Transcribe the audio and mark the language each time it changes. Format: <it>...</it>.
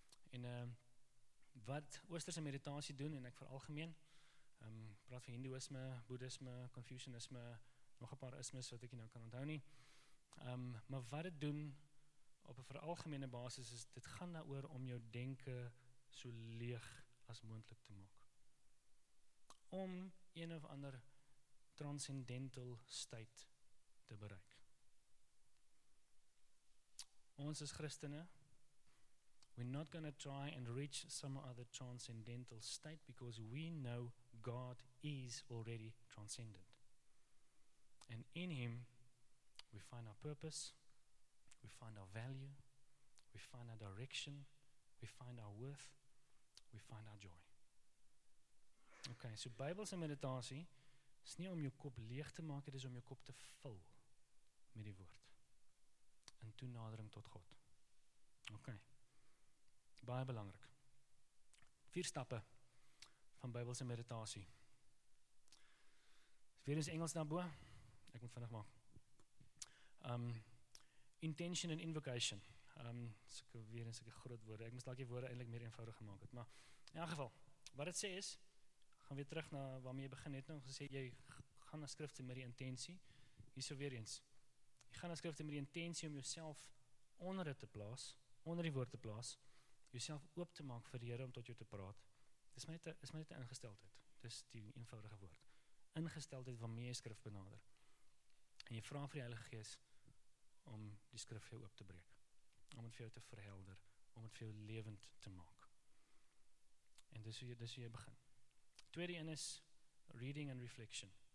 <af>En wat oosterse meditasie doen en ek vir algemeen praat van hindoeïsme, boeddhisme, confucianisme, nog 'n paar ismes wat ek nie nou kan onthou nie. Maar wat dit doen op 'n veralgemene basis is dit gaan daaroor om jou denke so leeg as moontlik te maak. Om een of ander</af> <en>transcendental state</en> <af>te bereik. Ons as Christene,</af> <en>we're not going to try and reach some other transcendental state because we know God is already transcendent. And in Him, we find our purpose, we find our value, we find our direction, we find our worth, we find our joy.</en> <af>Okay, so Bybelse meditasie is nie om jou kop leeg te maak, dit is om jou kop te vul met die woord. In toenadering tot God. Okay. Baie belangrik. 4 stappe van Bybelse meditasie. Is weer eens Engels daarbo. Ek moet vinnig maak.</af> <en>Intention and invocation.</en> <af>Weer eens sulke groot woorde. Ek moes dalk die woorde eintlik meer eenvoudig gemaak het, maar in elk geval, wat het sê is, gaan weer terug na waarmee jy begin het nou, gesê, jy gaan na skrifte met die intentie, hier so weer eens, jy gaan na skrifte met die intentie om jouself onder het te plaas, onder die woord te plaas, jouself oop te maak vir die Here om tot jou te praat, dis my net een ingesteldheid, dis die eenvoudige woord, ingesteldheid waarmee jy skrif benader, en jy vraag vir die Heilige Gees om die skrif jou oop te breek, om het vir jou te verhelder, om het vir jou levend te maak. En dis hoe jy begin. Tweede een is</af> <en>reading and reflection.</en>